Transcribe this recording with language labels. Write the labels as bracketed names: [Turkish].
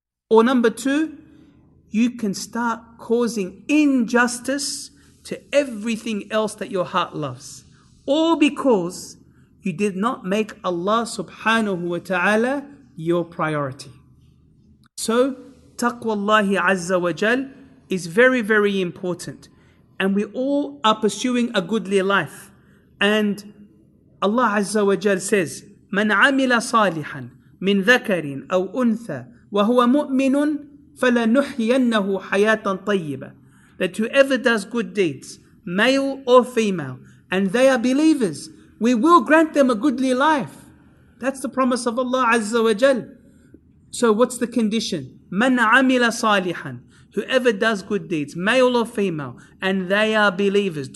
[English] Or number two, you can start causing injustice to everything else that your heart loves. All because you did not make Allah subhanahu wa ta'ala your priority. So taqwa Allahi Azza wa Jal is very, very important. And we all are pursuing a goodly life. And Allah Azza wa Jal says, [Arabic] من عمل صالحا من ذكر أو أنثى وهو مؤمن فلنحيينه حياة طيبة. [English] That whoever does good deeds, male or female, and they are believers, we will grant them a goodly life. That's the promise of Allah Azza wa Jal. So what's the condition? [Arabic] من عمل صالحا, [English] whoever does good deeds, male or female, and they are believers.